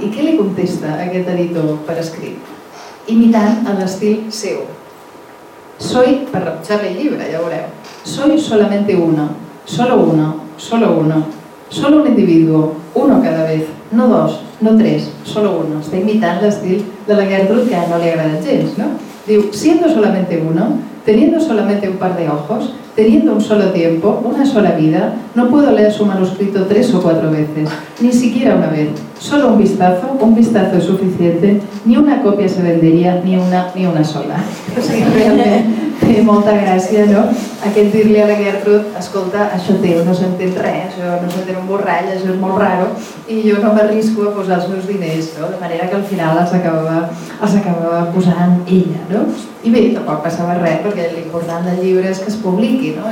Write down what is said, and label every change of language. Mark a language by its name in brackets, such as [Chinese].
[Catalan] I què li contesta aquest editor per escrit? Imitant l'estil seu. [Spanish] Soy, [Catalan] per rebutjar-li el llibre, ja ho veureu. [Spanish] Soy solamente uno, solo uno, solo uno, solo un individuo, uno cada vez, no dos, no tres, solo uno. [Catalan] Està imitant l'estil de la Gertrude, que no li agrada gens, no? Diu: [Spanish] siendo solamente uno, teniendo solamente un par de ojos, teniendo un solo tiempo, una sola vida, no puedo leer su manuscrito tres o cuatro veces, ni siquiera una vez. Solo un vistazo es suficiente, ni una copia se vendería, ni una sola. [Catalan] O sigui, realment, té molta gràcia, no? Aquest dir-li a la Gertrude: escolta, això teu no s'entén res, això no s'entén un borrall, això és molt raro, i jo no m'arrisco a posar els meus diners, no? De manera que al final els acabava posant ella, no? I bé, tampoc passava res, perquè l'important del llibre és que es publiqui, no?